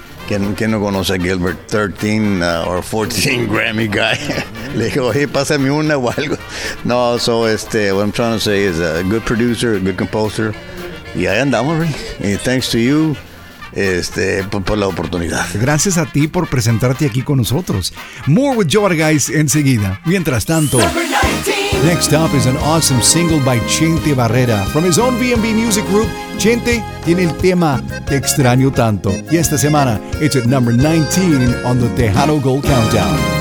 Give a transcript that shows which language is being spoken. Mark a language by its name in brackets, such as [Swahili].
[Spanish] ¿Quién no conoce a Gilbert? [English] 13 or 14 Grammy guy. [Spanish] Le digo, oye, pásame una o algo. [English] No, so este, what I'm trying to say is a good producer, a good composer. [Spanish] Y ahí andamos, [English] really. Thanks to you, este, [Spanish] por la oportunidad. Gracias a ti por presentarte aquí con nosotros. [English] More with Joe Argaiz [Spanish] enseguida. Mientras tanto, [English] next up is an awesome single by Chente Barrera from his own B&B Music Group. [Spanish] Chente tiene el tema Te Extraño Tanto. Y esta semana, [English] it's at number 19 on the Tejano Gold Countdown.